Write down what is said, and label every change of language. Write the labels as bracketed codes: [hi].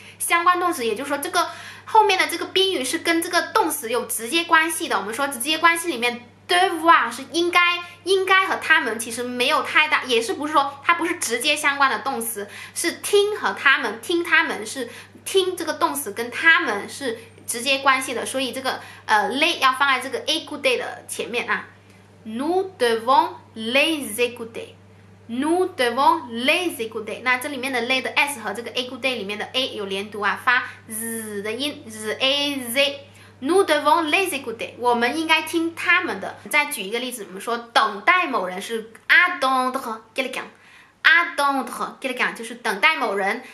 [zh] 相关动词也就是说这个后面的这个宾语是跟这个动词有直接关系的。我们说直接关系里面devoir 是应该和他们其实没有太大，也是不是说它不是直接相关的动词，是听和他们，听他们是听这个动词跟他们是直接关系的，所以这个les 要放在这个 écouter 的前面啊。 [fr] Nous devons les écouter， nous devons les écouter。 [zh] 那这里面的 les 的 s 和这个 écouter 里面的 a 有连读啊，发 z 的音， z a z。 [fr] Nous devons les écouter， [zh] 我们应该听他们的。再举一个例子，我们说等待某人是 attendre quelqu'un， attendre quelqu'un 就是等待某人。